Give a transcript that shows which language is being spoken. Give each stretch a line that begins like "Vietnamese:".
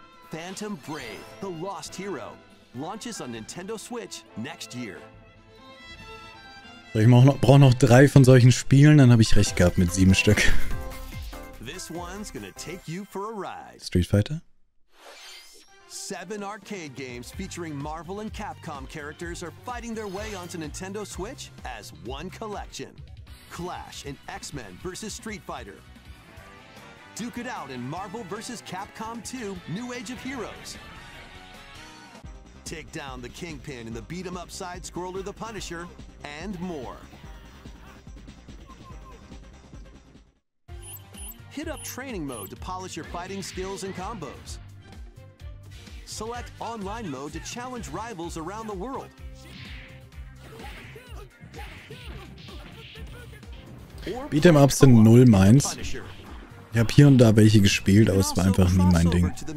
English: Phantom Brave, the lost hero, launches on Nintendo Switch next year.
German: Ich brauche noch 3 von solchen Spielen, dann habe ich recht gehabt mit 7 Stück.
English: This one's gonna take you for a ride. Street Fighter? 7 arcade games featuring Marvel and Capcom characters are fighting their way onto Nintendo Switch as one collection. Clash in X-Men vs. Street Fighter. Duke it out in Marvel vs. Capcom 2 New Age of Heroes. Take down the Kingpin in the beat-em-up side-scroller The Punisher and more. Hit up training mode to polish your fighting skills and combos. Select online mode to challenge rivals around the world.
German: Beat'em ups sind null meins. Ich habe hier und da welche gespielt, aber es war einfach nie mein Ding.